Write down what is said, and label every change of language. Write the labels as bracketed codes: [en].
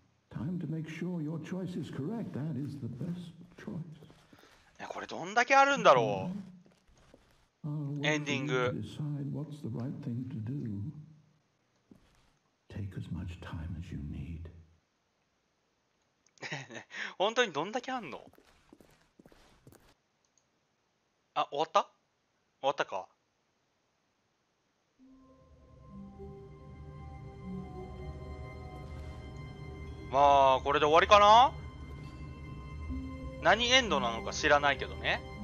[en] Time to make sure your choice is correct. That is the best choice. [ja] これどんだけあるんだろう。エンディング。 [en] Decide what's the right thing to do. Take as much time as you need. [ja] 本当にどんだけあんの？あ、終わった？終わったか。まあこれで終わりかな。何エンドなのか知らないけどね。